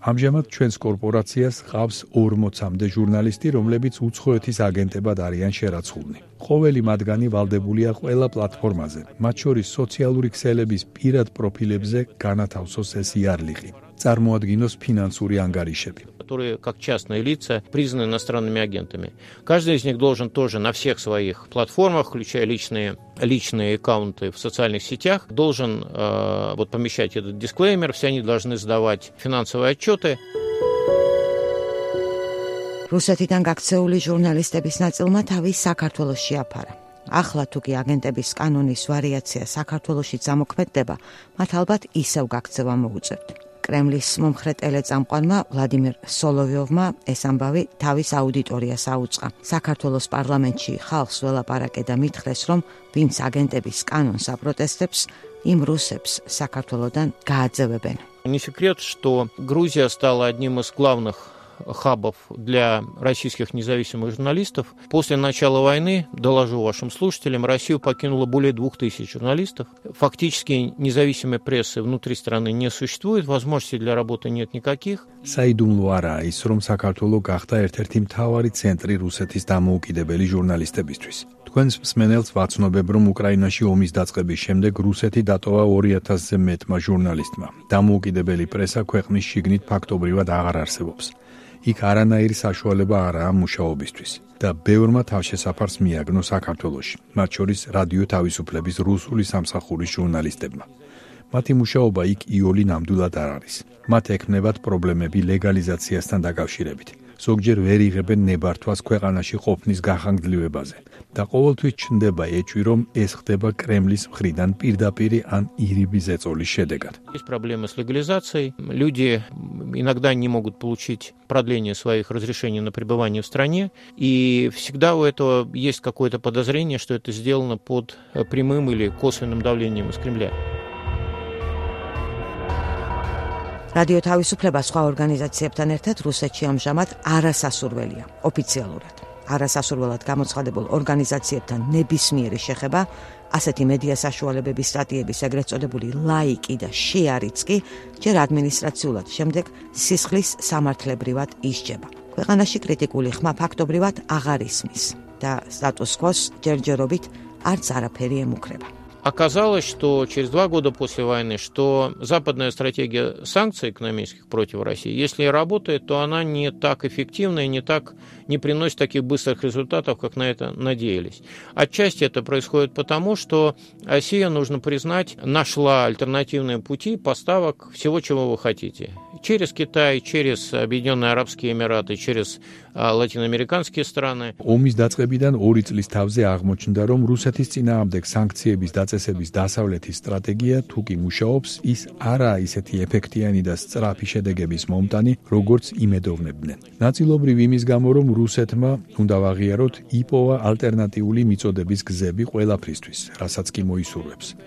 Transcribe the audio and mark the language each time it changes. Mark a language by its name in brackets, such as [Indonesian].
[Georgian] ამჟამად ჩვენს კორპორაციას ყავს 40-მდე ჟურნალისტი, რომლებიც უცხოეთის აგენტებად არიან შერაცხულნი. ყოველი მათგანი ვალდებულია ყველა პლატფორმაზე, მათ შორის სოციალური ქსელების პირად პროფილებზე განათავსოს ეს იარლიყი. Წარმოადგინოს ფინანსური ანგარიშები. [Russian] Которые как частные лица признаны иностранными агентами. Каждый из них должен тоже на всех своих платформах, включая личные аккаунты в социальных сетях, должен помещать этот дисклеймер, все они должны сдавать финансовые отчеты. [Georgian] Русетидан гакцеули журналистების ნაწილმა თავი საქართველოს შეაფარა. ახლა თუ კი აგენტების კანონის ვარიაცია საქართველოში ამოქმედდება, მათ ალბათ ისევ გაქცევა მოუწევთ. კრემლის მომხრე ტელეწამყვანმა ვლადიმერ სოლოვიოვმა ეს ამბავი თავის აუდიტორიას აუწყა. საქართველოს პარლამენტში ხალხს ველაპარაკე და მითხრეს, რომ ვინც აგენტების კანონს აპროტესტებს, იმ რუსებს საქართველოდან გააძევებენ. [Russian] Не секрет, что Грузия стала одним из главных хабов для российских независимых журналистов. После начала войны, доложу вашим слушателям, Россию покинуло более 2000 журналистов. Фактически независимой прессы внутри страны не существует, возможностей для работы нет никаких. [Georgian] Საიდუმლო არაა ის, რომ საქართველო გახდა ერთ-ერთი მთავარი ცენტრი რუსეთის დამოუკიდებელი ჟურნალისტებისთვის. Თქვენს მსმენელს ვაცნობებ, რომ უკრაინაში ომის დაწყების შემდეგ რუსეთი დატოვა 2000-ზე მეტმა ჟურნალისტმა. დამოუკიდებელი პრესა ქვეყნის შიგნით ფაქტობრივად აღარ არსებობს. იქ არანაირი საშუალება არაა მუშაობისთვის და ბევრმა თავშესაფარს მიაგნო საქართველოში, მათ შორის რადიო თავისუფლების რუსული სამსახურის ჟურნალისტებმა. მათი მუშაობა იქ იოლი ნამდვილად არ არის. მათ ექმნებათ პრობლემები ლეგალიზაციასთან დაკავშირებით. ზოგჯერ ვერ იღებენ ნებართვას ქვეყანაში ყოფნის გახანგრძლივებაზე და ყოველთვის ჩნდება ეჭვი, რომ ეს ხდება კრემლის მხრიდან პირდაპირი ან ირიბის ეწოლის შედეგად. [Russian] Есть проблемы с легализацией. Люди иногда не могут получить продление своих разрешений на пребывание в стране, и всегда у этого есть какое-то подозрение, что это сделано под прямым или косвенным давлением из Кремля. [Georgian] Радио თავისუფლება სხვა ორგანიზაციებთან ერთად რუსეთში ამჟამად არასასურველია ოფიციალურად. არასასურველად გამოცხადებულ ორგანიზაციებთან ნებისმიერი შეხება, ასეთი მედია საშუალებების სტატიების, ეგრეთ წოდებული ლაიკი და შეარიც კი ჯერ ადმინისტრაციულად, შემდეგ სისხლის სამართლებრივად ისჯება. ქვეყანაში კრიტიკული ხმა ფაქტობრივად აღარ ისმის და სტატუს-კვოს ჯერჯერობით არც არაფერი ემუქრება. [Russian] Оказалось, что через 2 года после войны, что западная стратегия санкций экономических против России, если и работает, то она не так эффективна и не приносит таких быстрых результатов, как на это надеялись. Отчасти это происходит потому, что Россия, нужно признать, нашла альтернативные пути поставок всего, чего вы хотите. Через Китай, через Объединенные Арабские Эмираты, через латиноамериканские страны. [Georgian] Омис дацқебидан 2 წლის თავზე აღმოჩნდა, რომ რუსეთის ძინაამდეგ санкციების დაწესების დასავლეთის სტრატეგია თუ კი მუშაობს, ის არაა ისეთი ეფექტიანი და სწრაფი შედეგების მომტანი, როგორც იმედოვნებდნენ. ნაწილობრივ იმის გამო, რომ რუსეთმა უნდა აღიაროთ იპოვა ალტერნატიული მიწოდების გზები ყველაფრისთვის, რასაც კი მოისურვებს.